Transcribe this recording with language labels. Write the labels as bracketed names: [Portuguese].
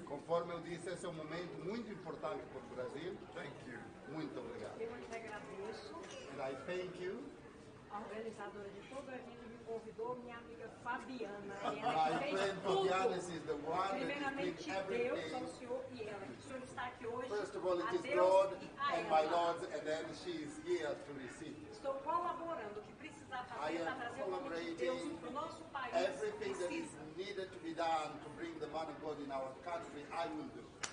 [Portuguese] Conforme eu disse, esse é momento muito importante para o Brasil. [English] Thank you. [Portuguese] Muito obrigado. Eu agradeço. [English] And I thank you. [Portuguese] A organizadora de todo o evento me convidou, minha amiga Fabiana. Ela que fez tudo. Primeiramente, Deus, só o senhor e ela. O senhor está aqui hoje. [English] First of all, it is God and my Lord, and then she is here to receive. [Portuguese] Estou colaborando. O que precisar fazer para trazer o nome de Deus para o nosso país. [English] Everything that is needed to be done to bring the man of God in our country, I will do.